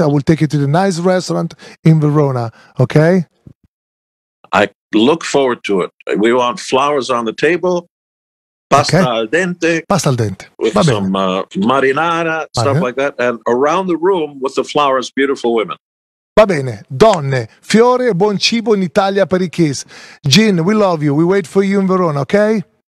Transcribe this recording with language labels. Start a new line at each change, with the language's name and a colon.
English: I will take you to the nice restaurant in Verona. Okay? I look forward to it. We want flowers on the table. Pasta al dente. Pasta al dente. With some marinara, stuff like that. And around the room with the flowers, beautiful women.
Italian: Va bene, donne, fiori e buon cibo in Italia per i kiss.
English: Gin, we love you, we wait for you in Verona, ok?